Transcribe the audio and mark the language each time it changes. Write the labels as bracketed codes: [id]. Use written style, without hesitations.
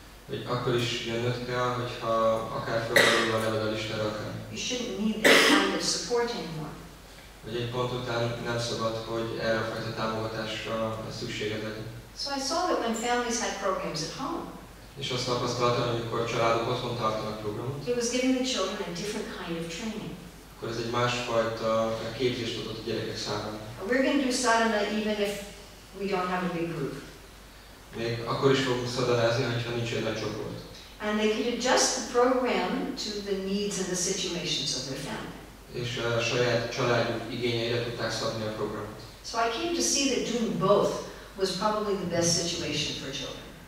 [hu] Hogy akkor is jönnöd kell, hogyha akár felvonul a neved a listára, akár. [en] You shouldn't need that kind of support anymore. [hu] Hogy egy pont után nem szabad, hogy erre a fajta támogatásra szükséged legyen. [en] So I saw that when families had programs at home. [hu] És azt tapasztaltam, amikor a családok otthon tartanak programot. [en] It was giving the children a different kind of training. [hu] Akkor ez egy másfajta képzést adott a gyerekek számára. [en] We're going to do sadhana even if we don't have a big group. [hu] Még akkor is fogunk szadalázni, hogyha nincs egy nagy csoport. [en] And they could adjust the program to the needs and the situations of their family. [hu] és a saját családjuk igényeire tudták szabni a programot. [en] So I came to see that doing both was probably the best situation for children.